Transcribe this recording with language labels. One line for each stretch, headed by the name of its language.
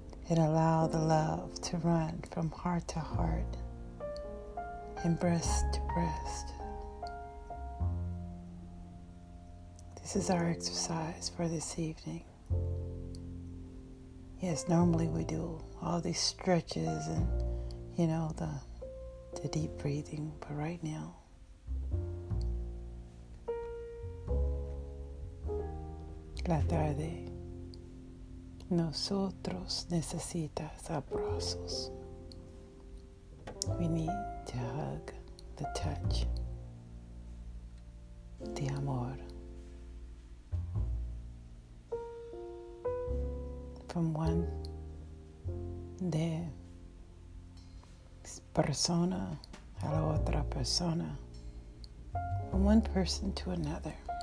English: And allow the love to run from heart to heart and breast to breast. This is our exercise for this evening. Yes, normally we do all these stretches and, you know, the deep breathing. But right now,
Spanish: la tarde, nosotros necesitas abrazos.
English: We need to hug, the touch, the amor. From one
Spanish: de persona a la otra persona,
English: from one person to another.